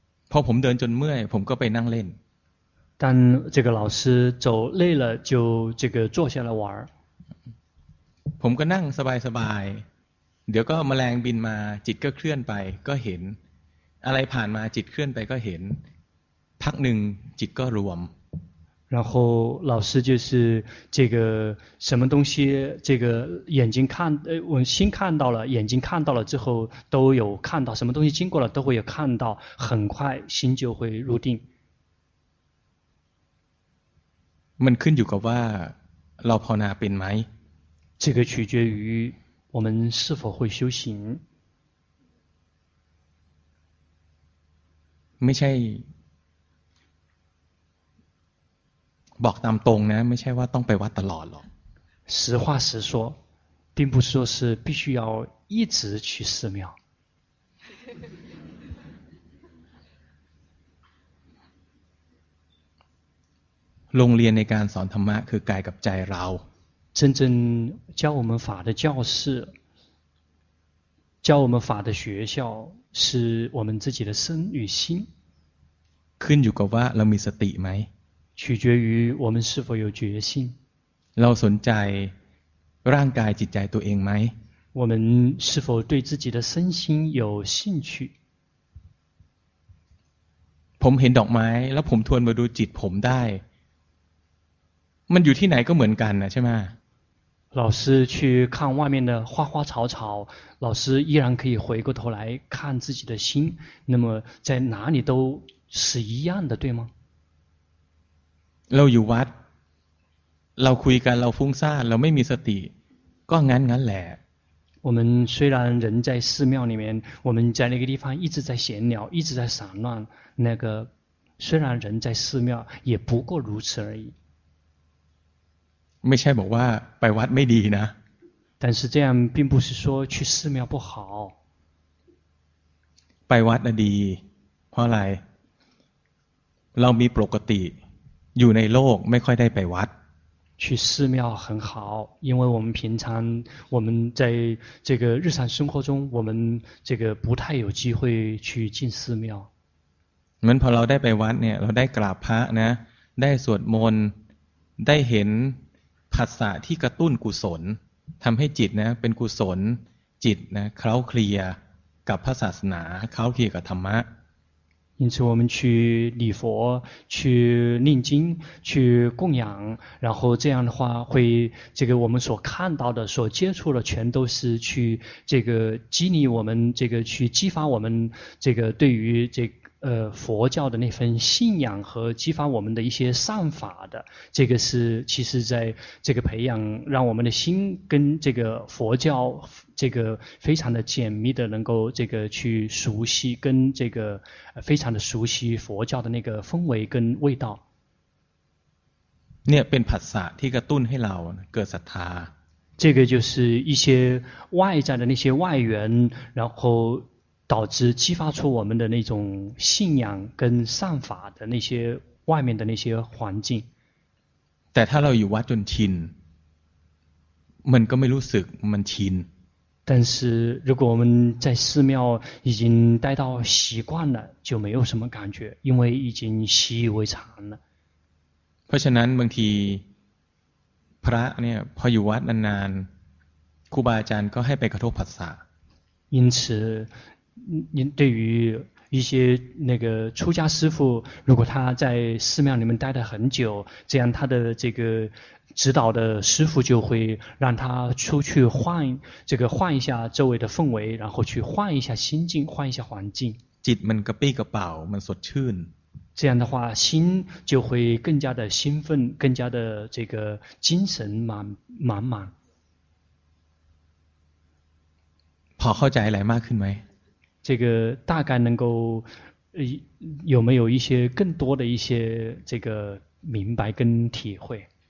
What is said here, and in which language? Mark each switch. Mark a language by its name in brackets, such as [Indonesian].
[Thai] พอผมเดินจนเมื่อยผมก็ไปนั่งเล่น [Chinese] 但这个老师走累了就这个坐下来玩 [Thai] ผมก็นั่งสบายสบายเดี๋ยวก็แมลงบินมาจิตก็เคลื่อนไปก็เห็นอะไรผ่านมาจิตเคลื่อนไปก็เห็นพักหนึ่งจิตก็รวม [Chinese] 然后老师就是这个什么东西这个眼睛看我心看到了眼睛看到了之后都有看到什么东西经过了都会有看到很快心就会入定 [Thai] มันขึ้นอยู่กับว่าเราภาวนาเป็นไหม [Chinese] 这个取决于我们是否会修行 [Thai] ไม่ใช่บอกตามตรงนะไม่ใช่ว่าต้องไปวัดตลอดหรอก [Chinese] 实话实说并不是说是必须要一直去寺庙 [Thai] โรงเรียนในการสอนธรรมะคือกายกับใจเรา [Chinese] 真正教我们法的教室教我们法的学校是我们自己的身与心 [Thai] ขึ้นอยู่กับว่าเรามีสติไหม [Chinese] 取决于我们是否有决心 [Thai] เราสนใจร่างกายจิตใจตัวเองไหม [Chinese] 我们是否对自己的身心有兴趣 [Thai] ผมเห็นดอกไม้แล้วผมทวนมาดูจิตผมได้มันอยู่ที่ไหนก็เหมือนกันนะใช่ไหม [Chinese] 老师去看外面的花花草草老师依然可以回过头来看自己的心那么在哪里都是一样的对吗 [Thai] เราอยู่วัดเราคุยกันเราฟุ้งซ่านเราไม่มีสติก็งั้นแหละ [Chinese] 我们虽然人在寺庙里面我们在那个地方一直在闲聊一直在散乱那个虽然人在寺庙也不过如此而已 [Thai] ไม่ใช่บอกว่าไปวัดไม่ดีนะ [Chinese] 但是这样并不是说去寺庙不好 [Thai] ไปวัดน่ะดีเพราะอะไรเรามีปกติอยู่ในโลกไม่ค่อยได้ไปวัด [Chinese] 去寺庙很好，因为我们平常我们在这个日常生活中，我们这个不太有机会去进寺庙。 [Thai] เหมือนพอเราได้ไปวัดเนี่ยเราได้กราบพระนะได้สวดมนต์ได้เห็นผัสสะที่กระตุ้นกุศลทำให้จิตนะเป็นกุศลจิตนะเคล้าเคลียกับพระศาสนาเคล้าเคลียกับธรรมะ [Chinese] 因此我们去礼佛去念经去供养然后这样的话会这个我们所看到的所接触的全都是去这个激励我们这个去激发我们这个对于这个佛教的那份信仰和激发我们的一些善法的这个是其实在这个培养让我们的心跟这个佛教这个非常的紧密的能够这个去熟悉跟这个非常的熟悉佛教的那个氛围跟味道 [Thai] เนี่ยเป็นผัสสะที่กระตุ้นให้เราเกิดศรัทธา [Chinese] 这个就是一些外在的那些外缘然后导致激发出我们的那种信仰跟善法的那些外面的那些环境 [Thai] แต่ถ้าเราอยู่วัดจนชินมันก็ไม่รู้สึกมันชิน [Chinese] 但是如果我们在寺庙已经待到习惯了就没有什么感觉因为已经习以为常了 [Thai] เพราะฉะนั้นบางทีพระเนี่ยพออยู่วัดนานๆครูบาอาจารย์ก็ให้ไปกระทบผัสสะ [Chinese] 因此对于一些那个出家师父如果他在寺庙里面待得很久这样他的这个指导的师父就会让他出去换这个换一下周围的氛围然后去换一下心境换一下环境 [Thai] จิตมันกระปี้กระเป๋ามันสดชื่น [Chinese] 这样的话心就会更加的兴奋更加的这个精神满满 [Thai] พอเข้าใจอะไรมากขึ้นไหม [Chinese] 这个大概能够有没有一些更多的一些这个明白跟体会